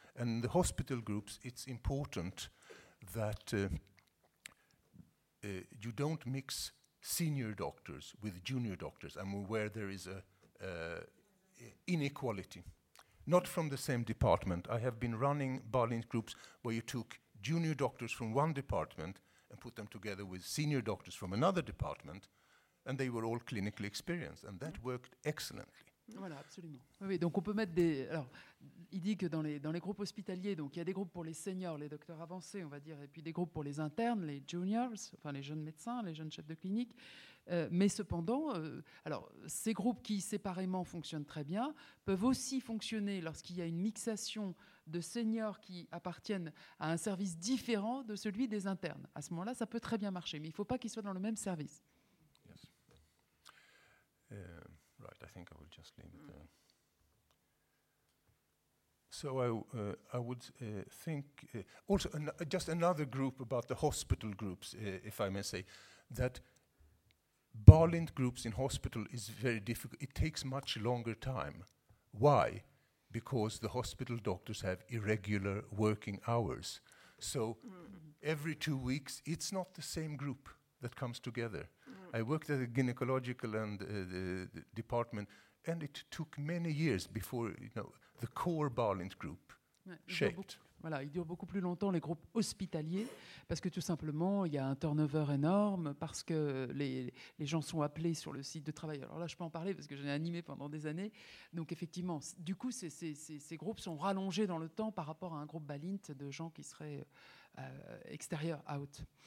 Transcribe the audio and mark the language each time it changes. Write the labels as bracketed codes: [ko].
[en] And the hospital groups, it's important that you don't mix senior doctors with junior doctors, and where there is an inequality. Not from the same department. I have been running Berlin groups where you took junior doctors from one department and put them together with senior doctors from another department, and they were all clinically experienced, and that worked excellently. [fr] Voilà, absolument. Oui, donc on peut mettre des... Alors, il dit que dans les groupes hospitaliers, donc il y a des groupes pour les seniors, les docteurs avancés, on va dire, et puis des groupes pour les internes, les juniors, enfin les jeunes médecins, les jeunes chefs de clinique. Mais cependant, alors, ces groupes qui séparément fonctionnent très bien peuvent aussi fonctionner lorsqu'il y a une mixation de seniors qui appartiennent à un service différent de celui des internes. À ce moment-là, ça peut très bien marcher, mais il ne faut pas qu'ils soient dans le même service. [en] Yes. Right, I think I will just leave it there. So I would think also just another group about the hospital groups, if I may say, that Berlind groups in hospital is very difficult. It takes much longer time. Why? Because the hospital doctors have irregular working hours. So every 2 weeks, it's not the same group that comes together. I worked at a gynecological and the department, and it took many years before you know the core Berlind group shaped. [fr] Voilà, il dure beaucoup plus longtemps les groupes hospitaliers parce que tout simplement il y a un turnover énorme parce que les gens sont appelés sur le site de travail. Alors là, je peux en parler parce que j'en ai animé pendant des années. Donc effectivement, du coup, ces groupes sont rallongés dans le temps par rapport à un groupe Berlind de gens qui seraient extérieurs, out.